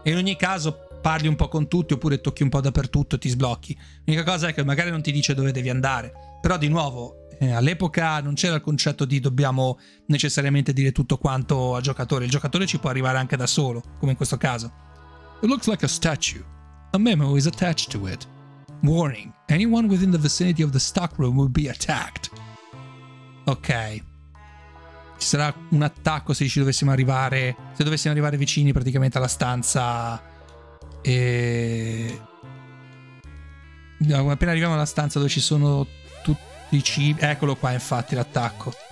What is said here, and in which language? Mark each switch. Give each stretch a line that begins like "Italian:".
Italian: E in ogni caso parli un po' con tutti oppure tocchi un po' dappertutto e ti sblocchi. L'unica cosa è che magari non ti dice dove devi andare. Però di nuovo, all'epoca non c'era il concetto di dobbiamo necessariamente dire tutto quanto al giocatore. Il giocatore ci può arrivare anche da solo, come in questo caso.
English: It looks like a statue. A memo is attached to it. Warning, anyone within the vicinity of the stockroom will be attacked. Ok.
Italian: Ci sarà un attacco se ci dovessimo arrivare, se dovessimo arrivare vicini praticamente alla stanza. E no, appena arriviamo alla stanza dove ci sono tutti i cibi, eccolo qua infatti l'attacco.